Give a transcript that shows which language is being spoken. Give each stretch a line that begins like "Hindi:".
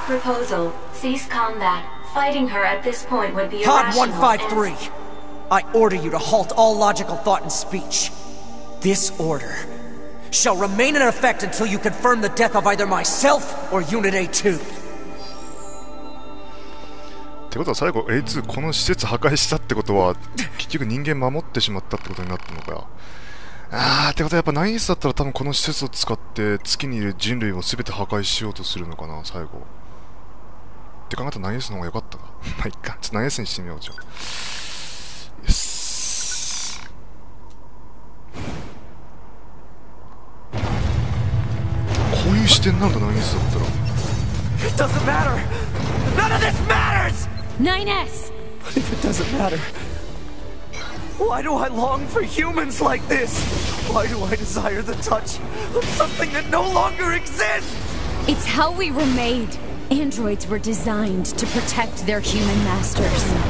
English: Proposal. Cease combat. Fighting her at this point would be irrational. Pod 153! I order you to halt all logical thought and speech. This order shall remain in effect until you confirm the death of either myself or Unit A2.
Japanese: ってことは最後 A2 この施設破壊したってことは結局人間守ってしまったってことになったのかよ。ああってことはやっぱナインスだったら多分この施設を使って月にいる人類を全て破壊しようとするのかな最後。って考えたらナインスの方が良かったか。まあいっか。ちょっとナインスにしてみようじゃん。よし。こういう視点になるとナインスだったら。
English: It doesn't matter. None of this matters. 9S! But if it doesn't matter, why do I long for humans like this? Why do I desire the touch of something that no longer exists? It's how we were made. Androids were designed to protect their human masters.